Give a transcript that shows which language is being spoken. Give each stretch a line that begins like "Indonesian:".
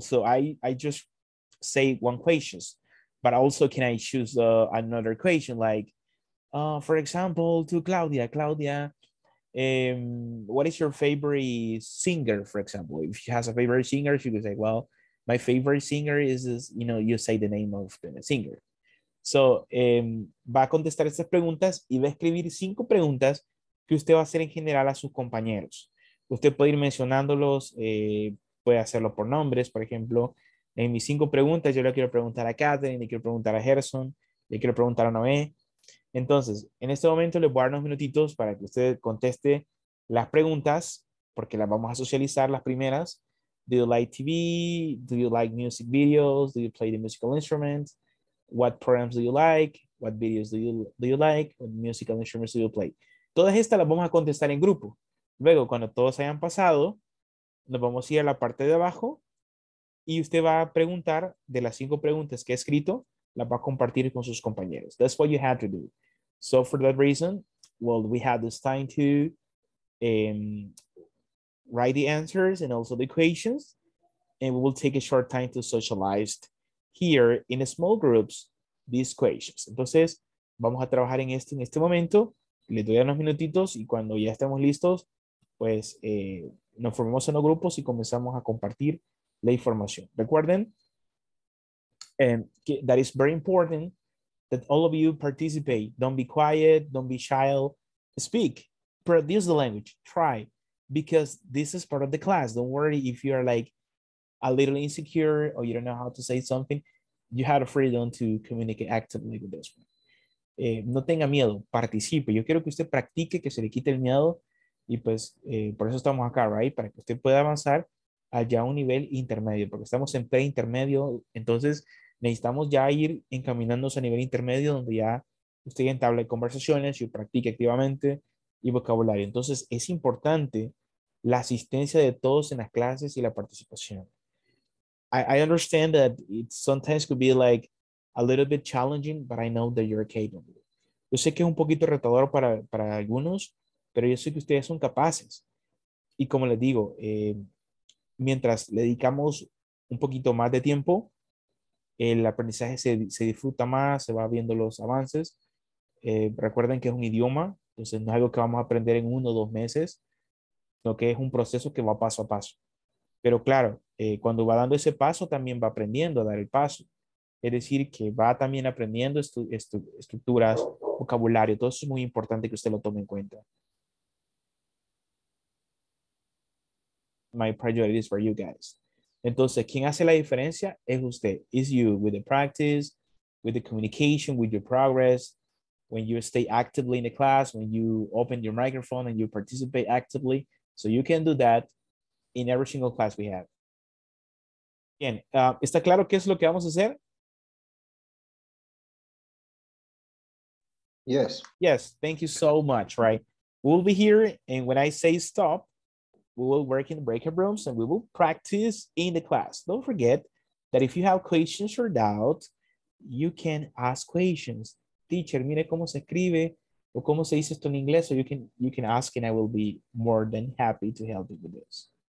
English: So I just say one question, but also can I choose another question? Like, for example, to Claudia. Claudia, what is your favorite singer, for example? If she has a favorite singer, she could say, well, my favorite singer is, you know, you say the name of the singer.
Spanish: So, va a contestar estas preguntas y va a escribir 5 preguntas que usted va a hacer en general a sus compañeros. Usted puede ir mencionándolos, puede hacerlo por nombres, por ejemplo, en mis 5 preguntas yo le quiero preguntar a Catherine, le quiero preguntar a Gerson, le quiero preguntar a Noé. Entonces, en este momento le voy a dar unos minutitos para que usted conteste las preguntas, porque las vamos a socializar las primeras.
English: Do you like TV? Do you like music videos? Do you play the musical instruments? What programs do you like? What videos do you like? What musical instruments do you play?
Spanish: Todas estas las vamos a contestar en grupo. Luego, cuando todos hayan pasado, nos vamos a ir a la parte de abajo y usted va a preguntar de las 5 preguntas que ha escrito, las va a compartir con sus compañeros.
English: That's what you had to do. So for that reason, well, we had this time to write the answers and also the equations, and we will take a short time to socialize here in small groups, these questions.
Spanish: Entonces, vamos a trabajar en esto en este momento. Les doy unos minutitos y cuando ya estemos listos, pues nos formamos en los grupos y comenzamos a compartir la información. Recuerden,
English: that is very important that all of you participate. Don't be quiet, don't be shy. Speak, produce the language, try, because this is part of the class. Don't worry if you are like a little insecure or you don't know how to say something, you have a freedom to communicate actively with this one.
Spanish: No tenga miedo, participe. Yo quiero que usted practique, que se le quite el miedo y pues por eso estamos acá, right? Para que usted pueda avanzar allá a un nivel intermedio, porque estamos en pre-intermedio, entonces necesitamos ya ir encaminándose a nivel intermedio donde ya usted entable conversaciones y practique activamente y vocabulario. Entonces es importante la asistencia de todos en las clases y la participación.
English: I understand that it sometimes could be like a little bit challenging, but I know that you're capable.
Spanish: Yo sé que es un poquito retador para algunos, pero yo sé que ustedes son capaces. Y como les digo, mientras le dedicamos un poquito más de tiempo, el aprendizaje se disfruta más, se va viendo los avances. Recuerden que es un idioma, entonces no es algo que vamos a aprender en 1 o 2 meses, sino que es un proceso que va paso a paso. Pero claro, cuando va dando ese paso, también va aprendiendo a dar el paso. Es decir, que va también aprendiendo estructuras, vocabulario. Todo eso es muy importante que usted lo tome en cuenta.
English: My priority is for you guys.
Spanish: Entonces, ¿quién hace la diferencia? Es usted.
English: It's you with the practice, with the communication, with your progress. When you stay actively in the class, when you open your microphone and you participate actively. So you can do that in every single class we have. Bien, ¿está claro qué es lo que vamos a hacer? Yes. Yes, thank you so much, right? We'll be here, and when I say stop, we will work in the breakout rooms, and we will practice in the class. Don't forget, that if you have questions or doubts, you can ask questions.
Spanish: Teacher, mire cómo se escribe o cómo se dice esto en inglés.
English: So you can ask and I will be more than happy to help you with this.